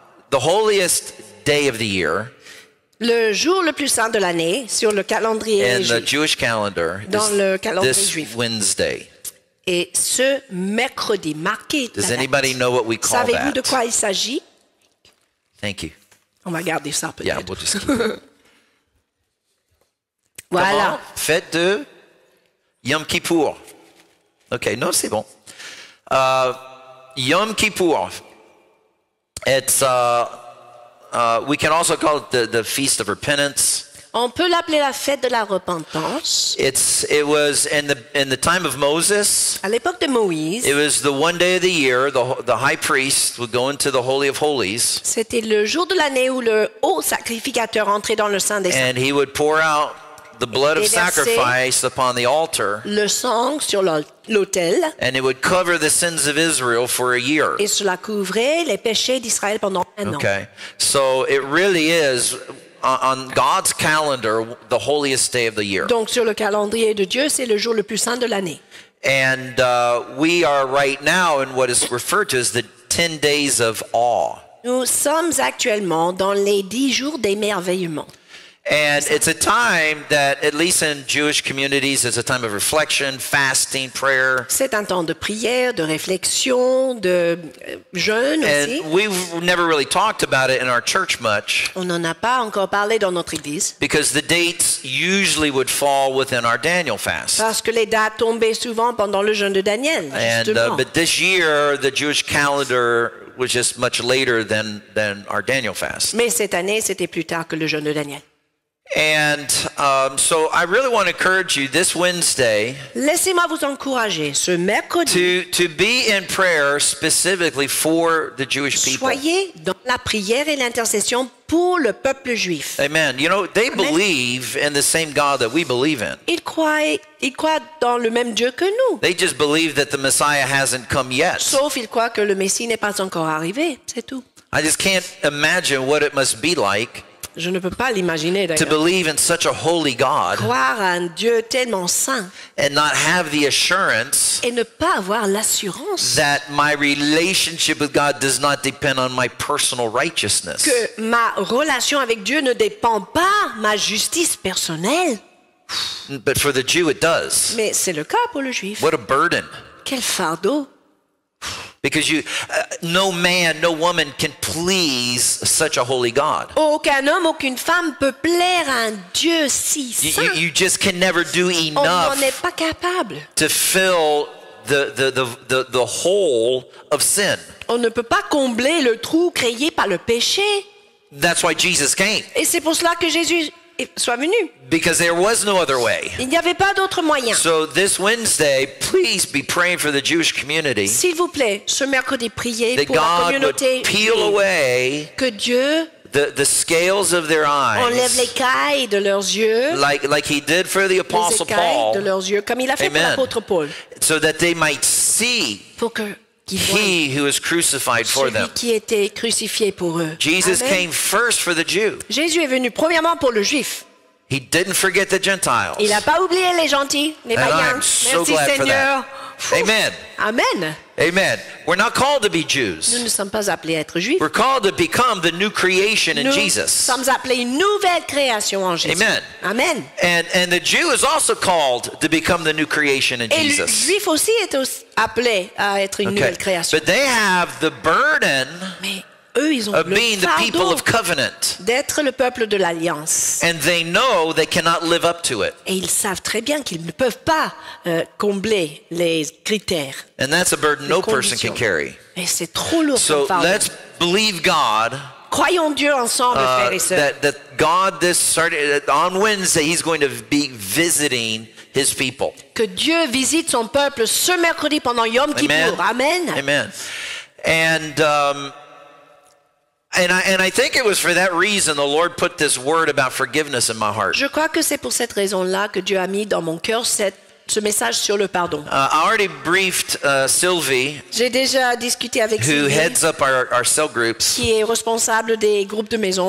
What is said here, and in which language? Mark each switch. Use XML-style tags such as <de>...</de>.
<en>The holiest day of the year.</en> <fr>Le jour le plus saint de l'année sur le calendrier juif.</fr> <en>In the Jewish calendar.</en> <fr>Dans le calendrier</fr> <en>this</en> <fr>juif.</fr> <en>This Wednesday.</en> <fr>Et ce mercredi marqué.</fr> <en>Does anybody know what we call</en> <fr>savez-vous</fr> <en>that?</en> <fr>Savez-vous de quoi il s'agit?</fr> <en>Thank you.</en> <fr>On va garder ça peut-être.</fr> <en>Yeah, we'll just keep it.</en> <fr>Voilà. Comment? Fête de Yom Kippour. Ok, non, c'est bon. Yom Kippour.</fr> <en>We can also call it the Feast of Repentance.</en> <fr>On peut l'appeler la fête de la repentance.</fr> <en>It was in the time of Moses.</en> <fr>À l'époque de Moïse.</fr> <en>It was the one day of the year the high priest would go into the Holy of Holies.</en> <fr>C'était le jour de l'année où le haut sacrificateur entrait dans le Saint des Saints.</fr> <en>And he would pour out the blood of sacrifice upon the altar.</en> <fr>Le sang sur l'autel.</fr> <en>And it would cover the sins of Israel for a year.</en> <fr>Et cela couvrait les péchés d'Israël pendant un an.</fr> <en>Okay. So it really is on God's calendar the holiest day of the year.</en> <fr>Donc sur le calendrier de Dieu, c'est le jour le plus saint de l'année.</fr> <en>And we are right now in what is referred to as the 10 days of awe.</en> <fr>Nous sommes actuellement dans les 10 jours d'émerveillement.</fr> <en>And it's a time that, at least in Jewish communities, it's a time of reflection, fasting, prayer.</en> <fr>C'est un temps de prière, de réflexion, de jeûne</fr> <en>and</en> <fr>aussi.</fr> <en>And we've never really talked about it in our church much.</en> <fr>On n'en a pas encore parlé dans notre église.</fr> <en>Because the dates usually would fall within our Daniel fast.</en> <fr>Parce que les dates tombaient souvent pendant le jeûne de Daniel, justement.</fr> <en>And, but this year, the Jewish calendar was just much later than our Daniel fast.</en> <fr>Mais cette année, c'était plus tard que le jeûne de Daniel.</fr> <en>And so I really want to encourage you this Wednesday.</en> <fr>Laissez-moi vous encourager ce mercredi.</fr> <en>To be in prayer specifically for the Jewish people.</en> <fr>Soyez dans la prière et l'intercession pour le peuple juif.</fr> <en>Amen. You know they believe in the same God that we believe in.</en> <fr>Ils croient dans le même Dieu que nous.</fr> <en>They just believe that the Messiah hasn't come yet.</en> <fr>Sauf ils croient que le Messie n'est pas encore arrivé. C'est tout.</fr> <en>I just can't imagine what it must be like.</en> <fr>Je ne peux pas l'imaginer d'ailleurs.</fr> <en>To believe in such a holy God.</en> <fr>Croire à un Dieu tellement saint.</fr> <en>And not have the assurance.</en> <fr>Et ne pas avoir l'assurance.</fr> <en>That my relationship with God does not depend on my personal righteousness.</en> <fr>Que ma relation avec Dieu ne dépend pas ma justice personnelle.</fr> <en>But for the Jew it does.</en> <fr>Mais c'est le cas pour le Juif.</fr> <en>What a burden.</en> <fr>Quel fardeau.</fr> <en>Because you, no man, no woman can please such a holy God.</en> <fr>Aucun homme, aucune femme peut plaire à un Dieu si saint.</fr> <en>You just can never do enough.</en> <fr>On n'en est pas capable.</fr> <en>To fill the hole of sin.</en> <fr>On ne peut pas combler le trou créé par le péché.</fr> <en>That's why Jesus came.</en> <fr>Et c'est pour cela que Jésus soit venu.</fr> <en>Because there was no other way.</en> <fr>Il n'y avait pas d'autre moyen.</fr> <en>So this Wednesday, please be praying for the Jewish community.</en> <fr>S'il vous plaît, ce mercredi, priez</fr> <en>that</en> <fr>pour</fr> <en>God</en> <fr>la communauté</fr> <en>would peel away</en> <fr>que Dieu</fr> <en>the scales of their eyes</en> <fr>enlève l'écaille de leurs yeux</fr> <en>like he did for the Apostle</en> <fr>les écailles</fr> <en>Paul,</en> <fr>de leurs yeux, comme il a fait</fr> <en>amen.</en> <fr>Pour l'apôtre Paul.</fr> <en>So that they might see</en> <fr>pour que</fr> <en>He who was crucified for them.</en> <fr>Celui qui était crucifié pour eux.</fr> <en>Jesus Amen. Came first for the Jew.</en> <fr>Jésus est venu premièrement pour le Juif.</fr> <en>He didn't forget the Gentiles.</en> <fr>Il n'a pas oublié les gentils, les</fr> <en>and</en> <fr>païens.</fr> <en>I'm so</en> <fr>Merci</fr> <en>glad</en> <fr>Seigneur.</fr> <en>For that. Amen. Amen. Amen. We're not called to be Jews.</en> <fr>Nous ne sommes pas appelés à être juifs.</fr> <en>We're called to become the new creation</en> <fr>Nous</fr> <en>in Jesus.</en> <fr>Nous sommes appelés une nouvelle création en Jésus.</fr> <en>Amen. Amen. And the Jew is also called to become the new creation in</en> <fr>Et</fr> <en>Jesus.</en> <fr>Le Juif aussi est appelé à être une</fr> <en>okay.</en> <fr>nouvelle création.</fr> <en>But they have the burden</en> <fr>Mais eux, ils ont</fr> <en>of being the people of covenant.</en> <fr>D'être le peuple de l'alliance.</fr> <en>And they know they cannot live up to it.</en> <fr>Et ils savent très bien qu'ils ne peuvent pas combler les critères.</fr> <en>And that's a burden no person can carry.</en> <fr>Et c'est trop lourd.</fr> <en>So let's believe God.</en> <fr>Croyons Dieu ensemble, frères et sœurs.</fr> <en>That God this started on Wednesday, he's going to be visiting his people.</en> <fr>Que Dieu visite son peuple ce mercredi pendant Yom Kippour.</fr> <en>Amen. Amen. And I think it was for that reason the Lord put this word about forgiveness in my heart.</en> <fr>Je crois que c'est pour cette raison-là que Dieu a mis dans mon cœur ce message sur le pardon.</fr> <en>I already briefed Sylvie.</en> <fr>J'ai déjà discuté avec</fr> <en>who</en> <fr>Sylvie.</fr> <en>Who heads up our cell groups?</en> <fr>Qui est responsable des groupes de maison.</fr>